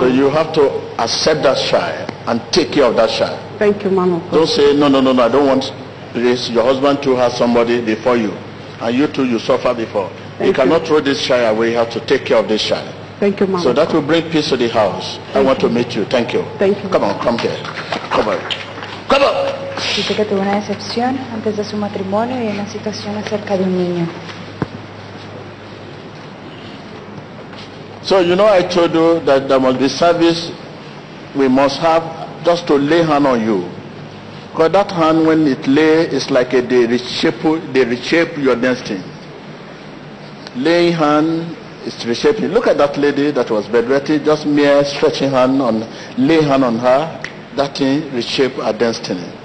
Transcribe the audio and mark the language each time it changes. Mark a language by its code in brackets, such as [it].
[en] So you have to accept that child and take care of that child. Thank you, man of God. Don't say, no, I don't want this. Your husband too has somebody before you. And you too, you suffer before. Thank you. Cannot throw this child away. You have to take care of this child. Thank you, ma'am. So that will bring peace to the house. Thank I want you. To meet you. Thank you. Thank you. Come on, come here. Come on. Come on. [es] Dice que tuvo una decepción antes de su matrimonio y una situación acerca de un niño. [en] So you know, I told you that there must be service we must have just to lay hand on you. Because that hand, when it lay, is like a they reshape your destiny. Laying hand. It's reshaping. Look at that lady that was bedwetting, just mere stretching hand on, lay hand on her, that thing reshaped her destiny.